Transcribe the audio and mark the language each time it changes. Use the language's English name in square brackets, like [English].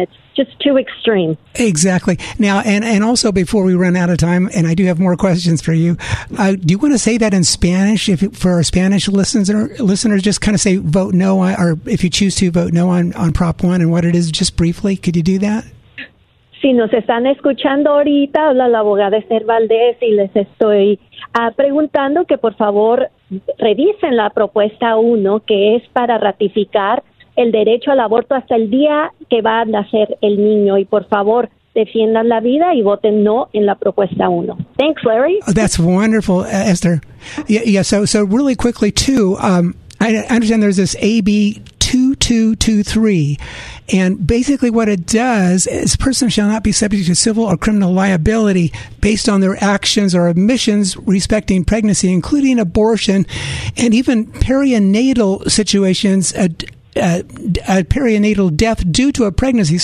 [English] It's just too extreme. Exactly. Now, and also before we run out of time, and I do have more questions for you, do you want to say that in Spanish for our Spanish listeners, just kind of say vote no, or if you choose to vote no on Prop 1 and what it is, just briefly, could you do that? [Spanish] Si nos están escuchando ahorita, habla la abogada Esther Valdez y les estoy preguntando que por favor revisen la propuesta 1, que es para ratificar el derecho al aborto hasta el día que va a nacer el niño. Y por favor, defiendan la vida y voten no en la propuesta 1. [English] Thanks, Larry. Oh, that's wonderful, Esther. Yeah, so really quickly, too, I understand there's this AB 2223, and basically what it does is person shall not be subject to civil or criminal liability based on their actions or omissions respecting pregnancy, including abortion and even perinatal situations, a perinatal death due to a pregnancy.